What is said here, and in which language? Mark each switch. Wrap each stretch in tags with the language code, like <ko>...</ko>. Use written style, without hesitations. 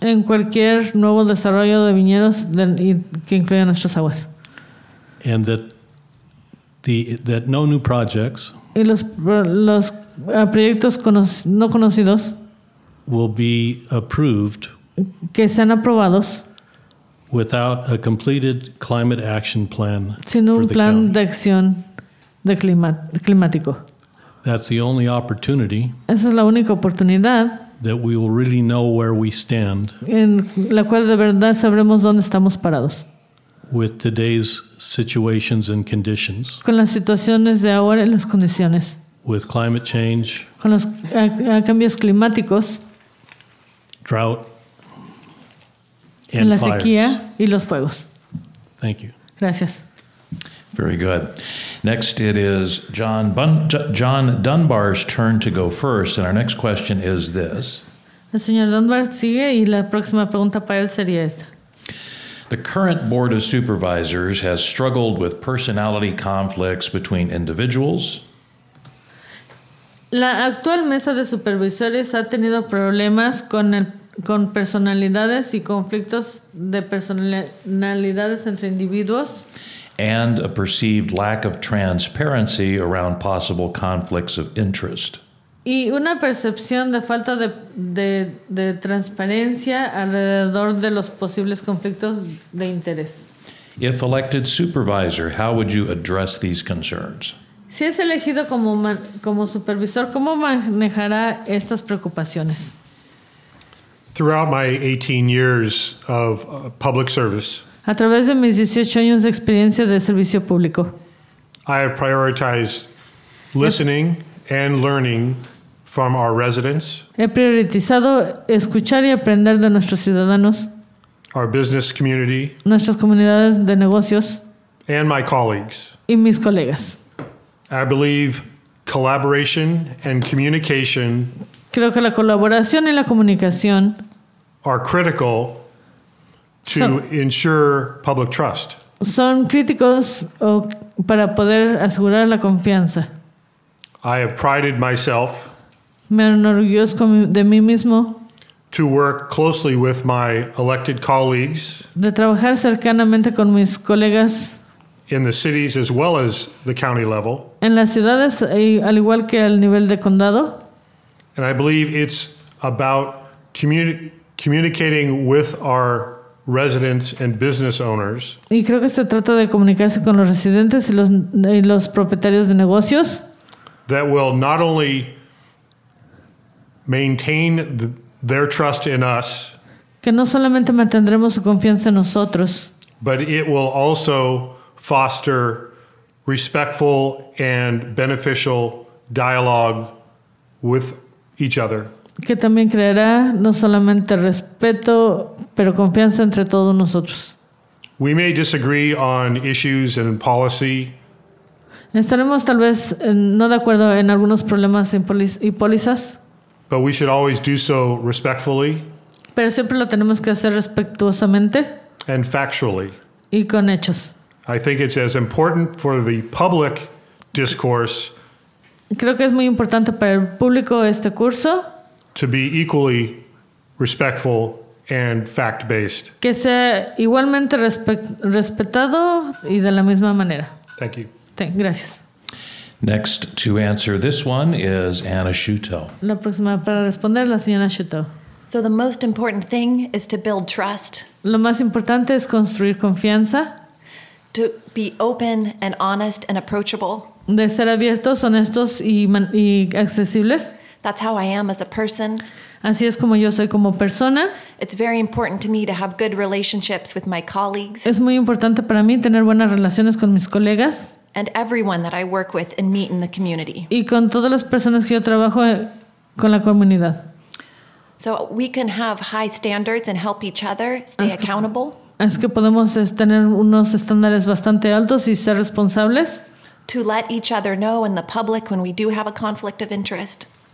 <es>En cualquier nuevo desarrollo de viñedos que incluya nuestras aguas.</es> <en>And that no new projects.</en> <es>Y los proyectos no conocidos.</es> <en>Will be approved.</en> <es>Que sean aprobados.</es> <en>Without a completed climate action plan.</en> <es>Sin un plan de acción de climático.</es> <en>That's the only opportunity.</en> <es>Esa es la única oportunidad.</es> <en>That we will really know where we stand.</en> <es>En la cual de verdad sabremos dónde estamos parados.</es> <en>with today's situations and conditions.</en> <es>Con las situaciones de ahora y las condiciones.</es> <en>With climate change.</en> <es>Con los cambios climáticos.</es> <en>Drought.</en> <es>En la sequía y los fuegos.</es> <en>Thank you.</en> <es>Gracias.</es> <en>Very good. Next, it is John Dunbar's turn to go first, and our next question is this.</en> <es>El señor Dunbar sigue y la próxima pregunta para él sería esta.</es> <en>The current Board of Supervisors has struggled with personality conflicts between individuals.</en> <es>La actual mesa de supervisores ha tenido problemas con personalidades y conflictos de personalidades entre individuos.</es> <en>And a perceived lack of transparency around possible conflicts of interest.</en> <es>Y una percepción de falta de transparencia alrededor de los posibles conflictos de interés.</es> <en>If elected supervisor, how would you address these concerns?</en> <es>Si es elegido como supervisor, ¿cómo manejará estas preocupaciones?</es> <en>Throughout my 18 years of public service,</en> <es>a través de mis 18 años de experiencia de servicio público,</es> <en>I have prioritized listening and learning from our residents.</en> <es>He priorizado escuchar y aprender de nuestros ciudadanos.</es> <en>Our business community.</en> <es>Nuestras comunidades de negocios.</es> <en>And my colleagues.</en> <es>Y mis colegas.</es> <en>I believe collaboration and communication.</en> <es>Creo que la colaboración y la comunicación</es> <en>are critical to ensure public trust.</en> <es>Son críticos para poder asegurar la confianza.</es> <en>I have prided myself.</en> <es>Me enorgullezco de mí mismo.</es> <en>To work closely with my elected colleagues.</en> <es>De trabajar cercanamente con mis colegas.</es> <en>In the cities as well as the county level.</en> <es>En las ciudades al igual que al nivel de condado.</es> <en>And I believe it's about communicating with our residents and business owners.</en> <es>Y creo que se trata de comunicarse con los residentes y los propietarios de negocios.</es> <en>That will not only maintain their trust in us,</en> <es>que no solamente mantendremos su confianza en nosotros,</es> <en>but it will also foster respectful and beneficial dialogue with each other,</en> <es>que también creará no solamente respeto pero confianza entre todos nosotros.</es> <en>We may disagree on issues and policy.</en> <es>Estaremos tal vez no de acuerdo en algunos problemas y pólizas.</es> <en>But we should always do so respectfully.</en> <es>Pero siempre lo tenemos que hacer respetuosamente.</es> <en>And factually.</en> <es>Y con hechos.</es> <en>I think it's as important for the public discourse.</en> <es>Creo que es muy importante para el público este curso.</es> <en>To be equally respectful and fact-based.</en> <es>Que sea igualmente respetado y de la misma manera.</es> <en>Thank you.</en> <es>Gracias.</es> <en>Next to answer this one is Anna Shuto.</en> <es>La próxima para responder la señora Shuto.</es> <en>So the most important thing is to build trust.</en> <es>Lo más importante es construir confianza.</es> <en>To be open and honest and approachable.</en> <es>De ser abiertos, honestos y accesibles.</es> <en>That's how I am as a person.</en> <es>Así es como yo soy como persona.</es> <en>It's very important to me to have good relationships with my colleagues.</en> <es>Es muy importante para mí tener buenas relaciones con mis colegas.</es> <en>And everyone that I work with and meet in the community.</en> <es>Y con todas las personas que yo trabajo con la comunidad.</es> <en>So we can have high standards and help each other stay accountable.</en> <es>Es que podemos tener unos estándares bastante altos y ser responsables.</es> <en>To let each other know in the public when we do have a conflict of interest.</en>